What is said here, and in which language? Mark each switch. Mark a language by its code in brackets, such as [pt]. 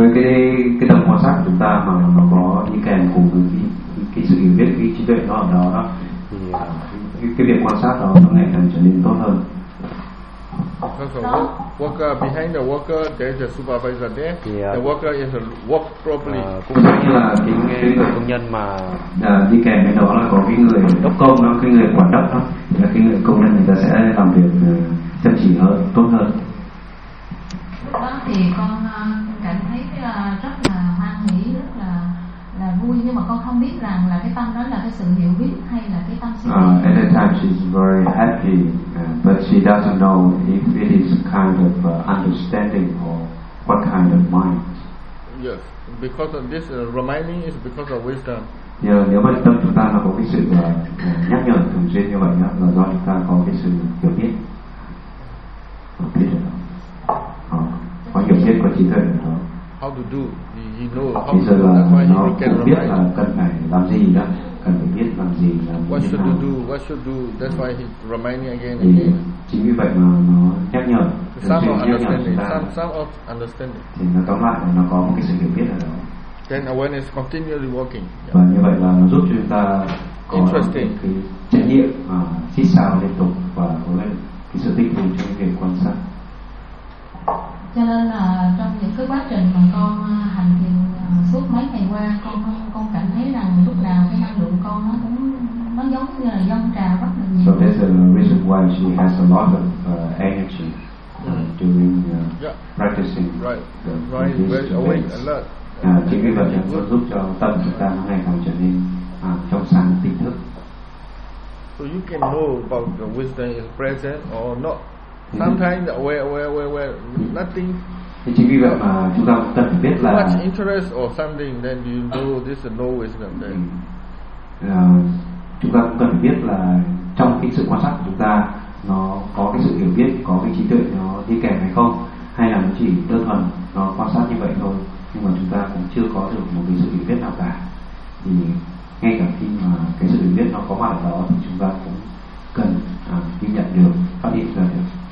[vi] với cái tâm quan sát chúng ta mà nó có đi kèm cùng cái sự hiểu biết, cái trí tuệ nó ở đó đó, thì cái việc quan sát đó nó ngày càng trở nên tốt hơn. [en] Also, worker behind the worker, there is a supervisor there. Yeah. The worker is work properly. [vi] Cũng như là cái người công nhân mà đi kèm với đó là có cái người đốc công, nó cái người quản đốc đó, thì là cái người công nhân người ta sẽ làm việc chăm chỉ hơn, tốt hơn. Đó thì con cảm thấy rất là hoan hỉ, rất là vui, nhưng mà con không biết rằng là cái tâm đó là cái sự hiểu biết hay là cái tâm sinh. [en] At that time she's very happy, but she doesn't know if it is kind of understanding or what kind of mind. Yes, because of this reminding is because of wisdom. [vi] Yeah, nếu mà tâm chúng ta là có cái sự nhắc nhở thường xuyên như vậy là do chúng ta có cái sự hiểu biết, có hiểu biết, có trí tuệ. [en] How to do? He knows how to do. That's why he can [vi] biết là cần phải làm gì đó, cần phải biết làm gì. [en] What should you do? What should do? That's why he reminding again and again. [vi] Chính vì vậy mà nó nhắc nhở. [en] Some of understanding. Some of understanding. [vi] Thì nó tóm lại nó có một cái sự hiểu biết ở đó. [en] Then awareness continually working. [vi] Và như vậy là nó giúp chúng ta có [en] interesting [vi] cái trải nghiệm mà thích sao liên tục và có lẽ cái sự tích cực trong việc quan sát. Cho nên là trong những cái quá trình mà con hành thiền suốt mấy ngày qua, con cảm thấy rằng lúc nào cái năng lượng con nó giống như là dâng trào rất là nhiều. [en] So that's the reason why she has a lot of energy during practicing. Right, [vi] chính vì vậy là nó giúp cho tâm chúng ta ngày càng trở nên trong sáng tỉnh thức. [en] So you can know about the wisdom is present or not. Sometimes where nothing. [vi] Chính vì vậy mà chúng ta cần phải biết là [en] too much interest or something, then you do this no wisdom then. [vi] chúng ta cũng cần phải biết là trong cái sự quan sát của chúng ta nó có cái sự hiểu biết, có cái trí tuệ nó đi kèm hay không, hay là nó chỉ đơn thuần nó quan sát như vậy thôi, nhưng mà chúng ta cũng chưa có được một cái sự hiểu biết nào cả. Thì ngay cả khi mà cái sự hiểu biết nó có mặt ở đó thì chúng ta cũng cần ghi nhận được, phát hiện ra được.